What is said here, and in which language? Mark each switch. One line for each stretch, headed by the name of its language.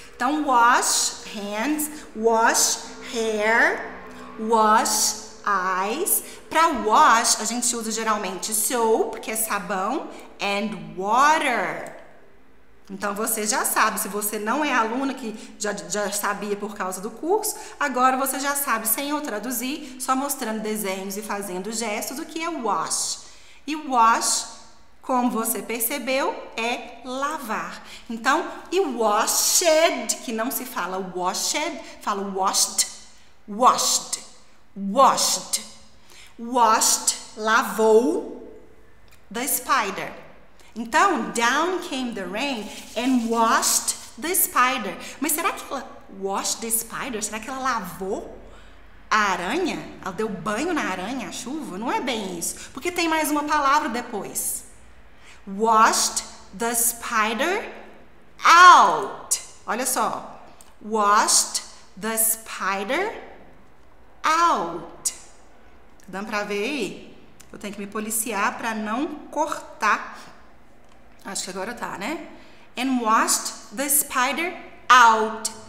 English: Então, wash hands, wash hair, wash eyes.
Portuguese: Para wash, a gente usa geralmente soap, que é sabão,
English: and water.
Portuguese: Então, você já sabe. Se você não é aluna, que já sabia por causa do curso, agora você já sabe, sem eu traduzir, só mostrando desenhos e fazendo gestos, o que é wash. E wash, Como você percebeu, é lavar. Então, e washed, que não se fala washed, fala washed, washed, washed.
English: Washed, lavou, the spider. Então, down came the rain and washed the spider.
Portuguese: Mas será que ela
English: washed the spider?
Portuguese: Será que ela lavou a aranha? Ela deu banho na aranha, a chuva? Não é bem isso, porque tem mais uma palavra depois.
English: Washed the spider out.
Portuguese: Olha só.
English: Washed the spider out.
Portuguese: Tá dando pra ver aí? Eu tenho que me policiar pra não cortar. Acho que agora tá, né?
English: And washed the spider out.